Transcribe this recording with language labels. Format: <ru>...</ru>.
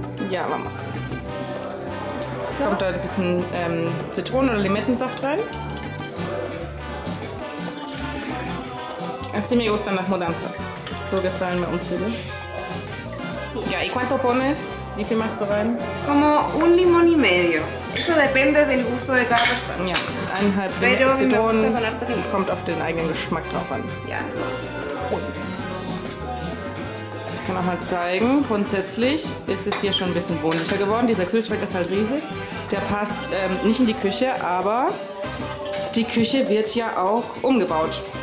<es>Ja, vamos.</es> <de>Kommt da ein bisschen Zitronen- oder Limettensaft rein.</de> <es>Así me gustan las mudanzas.</es> <de>So gefallen mir Umzüge. Ja,</de> <es>¿y cuánto pones?</es> <de>Wie viel machst du rein?</de> <es>Como un limón y medio. Eso depende del gusto de cada persona.</es> <de>Ja, eineinhalb Zitronen. Kommt auf den eigenen Geschmack drauf an. Ja, das ist cool. Ich kann auch mal zeigen, grundsätzlich ist es hier schon ein bisschen wohnlicher geworden. Dieser Kühlschrank ist halt riesig. Der passt nicht in die Küche, aber die Küche wird ja auch umgebaut.</de>